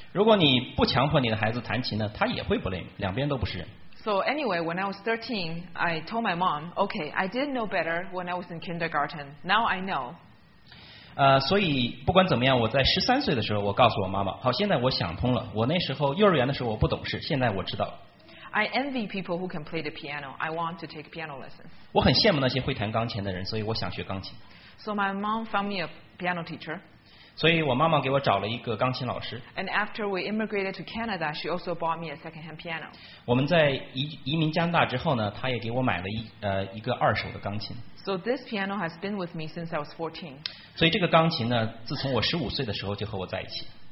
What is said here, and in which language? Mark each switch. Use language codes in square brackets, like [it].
[zh] 如果你不强迫你的孩子弹琴呢，他也会 blame， 两边都不是人。 [en] So anyway, when I was 13, I told my mom, "Okay, I didn't know better when I was in kindergarten. Now I know." [zh] 所以不管怎么样，我在十三岁的时候，我告诉我妈妈，好，现在我想通了。我那时候幼儿园的时候我不懂事，现在我知道。 [en] I envy people who can play the piano. I want to take piano lessons. [zh] 我很羡慕那些会弹钢琴的人，所以我想学钢琴。 [en] So my mom found me a piano teacher. [zh] 所以我妈妈给我找了一个钢琴老师。 [en] And after we immigrated to Canada, she also bought me a second-hand piano. [zh] 我们在移民加拿大之后呢，她也给我买了一个二手的钢琴。 [en] So this piano has been with me since I was 14. [zh] 所以这个钢琴呢，自从我十五岁的时候就和我在一起。